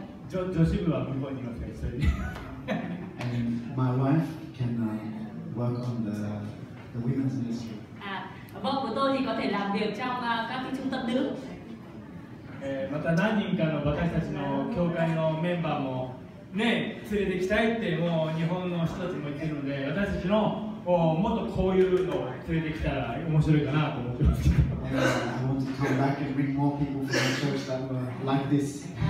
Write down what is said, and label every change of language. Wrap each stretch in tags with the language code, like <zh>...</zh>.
<en>John, Joshua, we want you to say sorry. My wife can work on the women's ministry.</en> <vi>À, vợ của tôi thì có thể làm việc trong các cái trung tâm nữ.</vi> <ja>また何人かの私たちの教会のメンバーもね、連れてきたいってもう日本の人たちも言ってるので、私たちのもっとこういうのを連れてきたら面白いかなと思ってます。</ja> <en>I want to come back and bring more people from the church that were like this.</en>